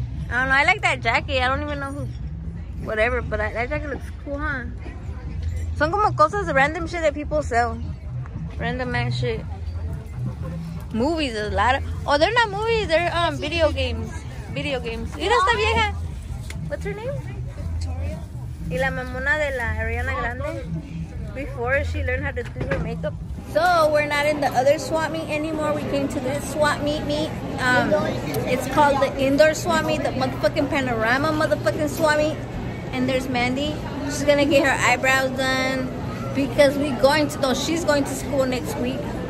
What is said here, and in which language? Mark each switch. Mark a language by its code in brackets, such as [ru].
[en] I don't know. I like that jacket. I don't even know who. Whatever, but that jacket looks cool, huh? [es] Son como cosas, [en] random shit that people sell. Random ass shit. Movies, a lot of, oh, they're not movies, they're video games. Video games. [es] ¿Y esta vieja? [en] What's her name? Victoria. [es] ¿Y la mamona de la Ariana Grande? [en] Before she learned how to do her makeup. So we're not in the other swap meet anymore. We came to this swap meet. It's called the indoor swap meet, the motherfucking panorama motherfucking swap meet. And there's Mandy. She's gonna get her eyebrows done because we're going to, though, she's going to school next week.